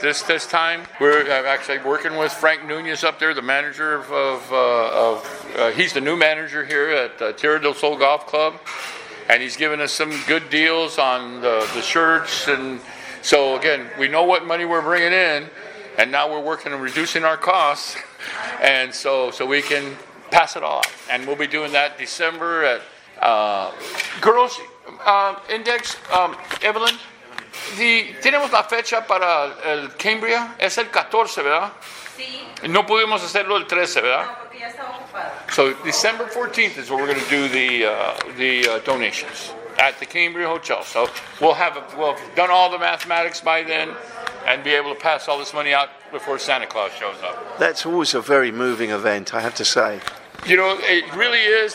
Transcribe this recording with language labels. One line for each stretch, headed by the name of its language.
English: This time, we're actually working with Frank Nunez up there, the manager of he's the new manager here at Tierra del Sol Golf Club, and he's given us some good deals on the shirts. And so again, we know what money we're bringing in, and now we're working on reducing our costs, and so we can pass it off. And we'll be doing that December at Girls Index.
Spanish: Evelyn, tenemos la fecha para el Cambria. Es el 14, ¿verdad? Sí. No pudimos hacerlo el 13, ¿verdad? No, porque ya estaba ocupada.
English: So December 14th is where we're going to do the donations at the Cambria Hotel. So we'll have done all the mathematics by then and be able to pass all this money out before Santa Claus shows up. That's always a very moving event, I have to say. You know, it really is.